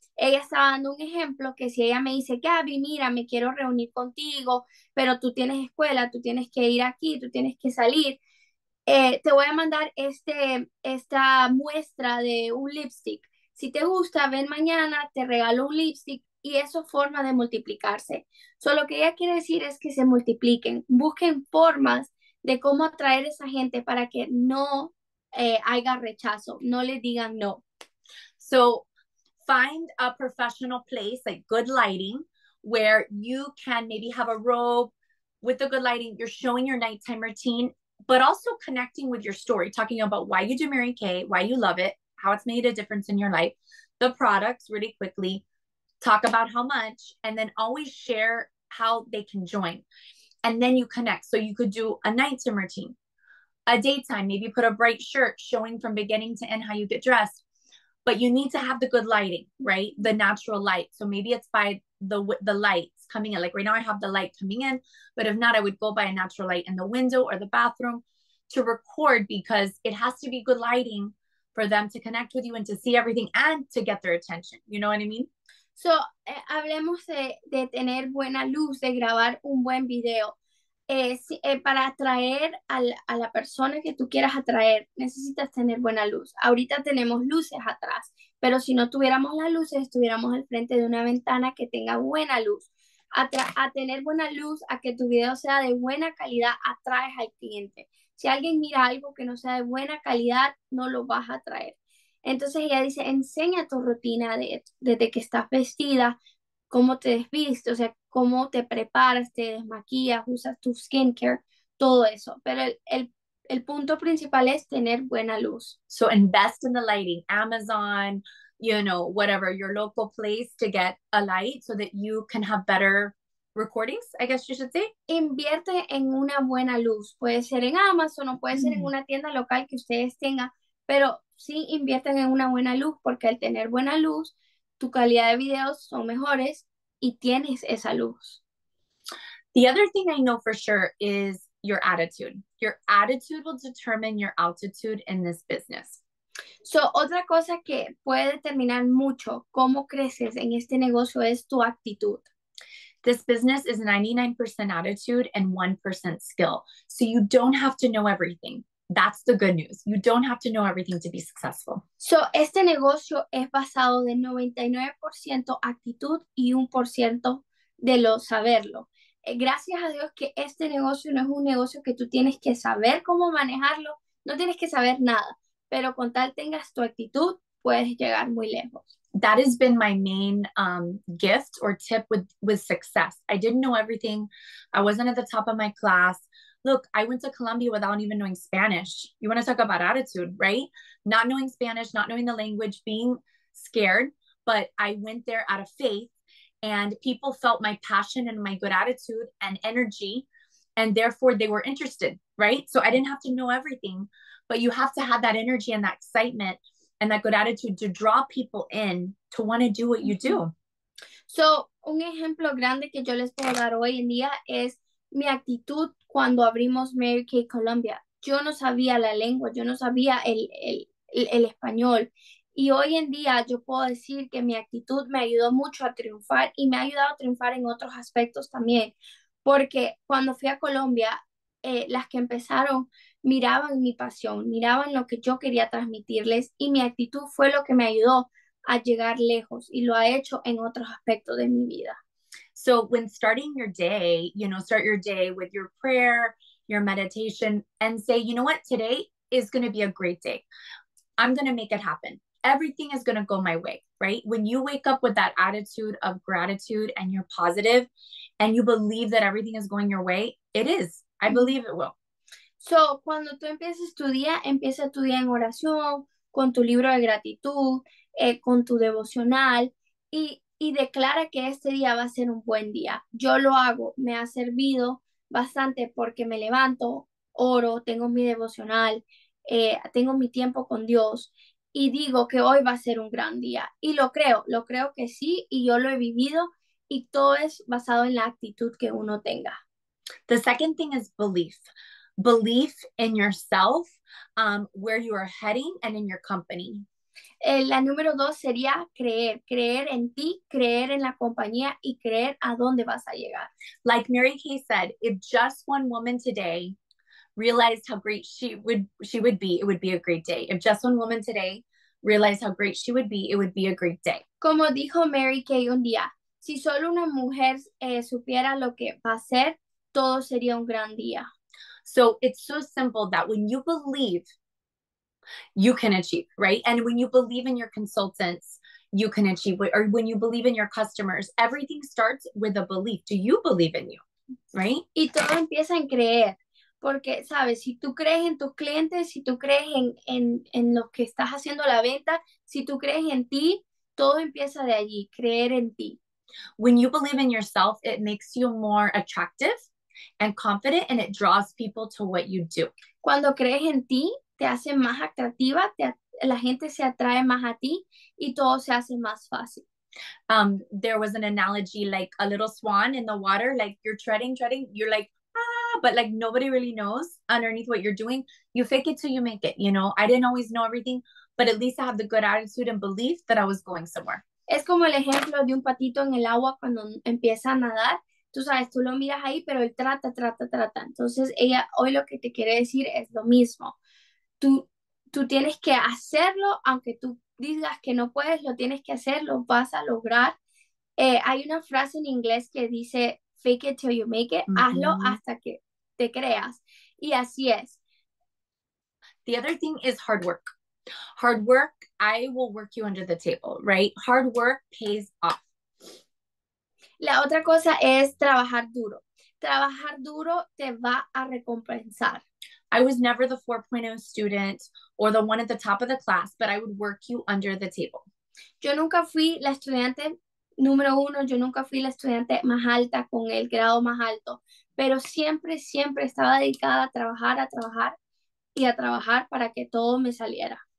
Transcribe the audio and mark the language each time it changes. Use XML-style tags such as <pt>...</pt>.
<es>Ella estaba dando un ejemplo que si ella me dice, Gabby, mira, me quiero reunir contigo, pero tú tienes escuela, tú tienes que ir aquí, tú tienes que salir, te voy a mandar esta muestra de un lipstick. Si te gusta, ven mañana, te regalo un lipstick. Y eso forma de multiplicarse. Solo lo que ella quiere decir es que se multipliquen. Busquen formas de cómo atraer a esa gente para que no haya rechazo. No le digan no.</es> <en>So, find a professional place, like good lighting, where you can maybe have a robe with the good lighting. You're showing your nighttime routine, but also connecting with your story, talking about why you do Mary Kay, why you love it, how it's made a difference in your life, the products really quickly. Talk about how much, and then always share how they can join. And then you connect. So you could do a nighttime routine, a daytime, maybe put a bright shirt showing from beginning to end how you get dressed. But you need to have the good lighting, right? The natural light. So maybe it's by the lights coming in. Like right now I have the light coming in, but if not, I would go by a natural light in the window or the bathroom to record, because it has to be good lighting for them to connect with you and to see everything and to get their attention. You know what I mean?</en> <es>So, hablemos de tener buena luz, de grabar un buen video. Para atraer a la persona que tú quieras atraer, necesitas tener buena luz. Ahorita tenemos luces atrás, pero si no tuviéramos las luces, estuviéramos al frente de una ventana que tenga buena luz. A tener buena luz, a que tu video sea de buena calidad, atraes al cliente. Si alguien mira algo que no sea de buena calidad, no lo vas a atraer. Entonces ella dice, enseña tu rutina desde que estás vestida, cómo te desviste, o sea, cómo te preparas, te desmaquillas, usas tu skincare, todo eso. Pero el punto principal es tener buena luz.</es> <en>So invest in the lighting, Amazon, you know, whatever, your local place to get a light so that you can have better recordings, I guess you should say.</en> <es>Invierte en una buena luz. Puede ser en Amazon o puede ser en una tienda local que ustedes tengan, pero sí inviertan en una buena luz, porque al tener buena luz, tu calidad de videos son mejores y tienes esa luz.</es> <en>The other thing I know for sure is your attitude. Your attitude will determine your altitude in this business.</en> <es>So, otra cosa que puede determinar mucho cómo creces en este negocio es tu actitud.</es> <en>This business is 99% attitude and 1% skill. So, you don't have to know everything. That's the good news. You don't have to know everything to be successful.</en> <es>So, este negocio es basado de 99% actitud y 1% de lo saberlo. Gracias a Dios que este negocio no es un negocio que tú tienes que saber cómo manejarlo. No tienes que saber nada. Pero con tal tengas tu actitud, puedes llegar muy lejos.</es> <en>That has been my main gift or tip with success. I didn't know everything. I wasn't at the top of my class. Look, I went to Colombia without even knowing Spanish. You want to talk about attitude, right? Not knowing Spanish, not knowing the language, being scared, but I went there out of faith and people felt my passion and my good attitude and energy, and therefore they were interested, right? So I didn't have to know everything, but you have to have that energy and that excitement and that good attitude to draw people in to want to do what you do.</en> <es>So, un ejemplo grande que yo les puedo dar hoy en día es mi actitud cuando abrimos Mary Kay Colombia. Yo no sabía la lengua, yo no sabía el español. Y hoy en día yo puedo decir que mi actitud me ayudó mucho a triunfar y me ha ayudado a triunfar en otros aspectos también. Porque cuando fui a Colombia, las que empezaron miraban mi pasión, miraban lo que yo quería transmitirles y mi actitud fue lo que me ayudó a llegar lejos y lo ha hecho en otros aspectos de mi vida.</es> <en>So when starting your day, you know, start your day with your prayer, your meditation, and say, you know what, today is going to be a great day. I'm going to make it happen. Everything is going to go my way, right? When you wake up with that attitude of gratitude and you're positive and you believe that everything is going your way, it is. I believe it will.</en> <es>So cuando tú empiezas tu día en oración, con tu libro de gratitud, con tu devocional, y declara que este día va a ser un buen día. Yo lo hago, me ha servido bastante porque me levanto, oro, tengo mi devocional, tengo mi tiempo con Dios y digo que hoy va a ser un gran día. Y lo creo que sí, y yo lo he vivido, y todo es basado en la actitud que uno tenga.</es> <en>The second thing is belief. Belief in yourself, where you are heading, and in your company.</en> <es>La número dos sería creer, creer en ti, creer en la compañía, y creer a dónde vas a llegar.</es> <en>Like Mary Kay said, if just one woman today realized how great she would be, it would be a great day. If just one woman today realized how great she would be, it would be a great day.</en> <es>Como dijo Mary Kay un día, si solo una mujer supiera lo que va a ser, todo sería un gran día.</es> <en>So it's so simple that when you believe, you can achieve, right? And when you believe in your consultants, you can achieve, or when you believe in your customers, everything starts with a belief. Do you believe in you, right?</en> <es>Y todo empieza en creer. Porque, sabes, si tú crees en tus clientes, si tú crees en lo que estás haciendo la venta, si tú crees en ti, todo empieza de allí, creer en ti.</es> <en>When you believe in yourself, it makes you more attractive and confident, and it draws people to what you do.</en> <es>Cuando crees en ti, te hace más atractiva, la gente se atrae más a ti, y todo se hace más fácil.</es> <en>There was an analogy, like a little swan in the water, like you're treading, you're like, but like nobody really knows underneath what you're doing. You fake it till you make it, you know? I didn't always know everything, but at least I have the good attitude and belief that I was going somewhere.</en> <es>Es como el ejemplo de un patito en el agua cuando empieza a nadar. Tú sabes, tú lo miras ahí, pero él trata. Entonces, ella, hoy lo que te quiere decir es lo mismo. Tú tienes que hacerlo, aunque tú digas que no puedes, lo tienes que hacer, lo vas a lograr. Hay una frase en inglés que dice,</es> <en>fake it till you make it,</en> <es>hazlo hasta que te creas. Y así es.</es> <en>The other thing is hard work. Hard work, I will work you under the table, right? Hard work pays off.</en> <es>La otra cosa es trabajar duro. Trabajar duro te va a recompensar.</es> <en>I was never the 4.0 student or the one at the top of the class, but I would work you under the table.</en> <es>Yo nunca fui la estudiante número uno, yo nunca fui la estudiante más alta con el grado más alto, pero siempre, siempre estaba dedicada a trabajar y a trabajar para que todo me saliera.</es>